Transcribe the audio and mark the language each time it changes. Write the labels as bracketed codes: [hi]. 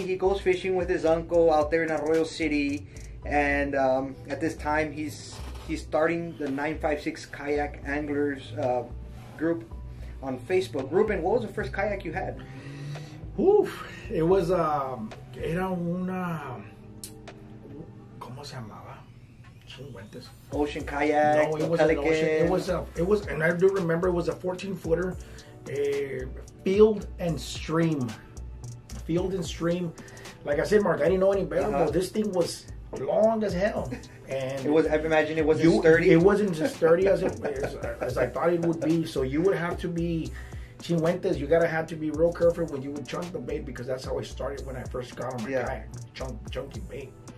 [en] He goes fishing with his uncle out there in Arroyo City, and at this time he's starting the 956 Kayak Anglers group on Facebook. Ruben, what was the first kayak you had? Oof, it was [es] era una, ¿cómo se llamaba? [en] Ocean kayak. No, it was Pelican. An ocean. It was, and I do remember it was a 14 footer, field and stream. Like I said, Mark, I didn't know any better. Uh-huh. But this thing was long as hell. And it was, I imagine it wasn't sturdy. It wasn't as sturdy as I thought it would be. So you would have to be, Chinguentes, you gotta have to be real careful when you would chunk the bait, because that's how I started when I first got on my kayak. Chunky bait.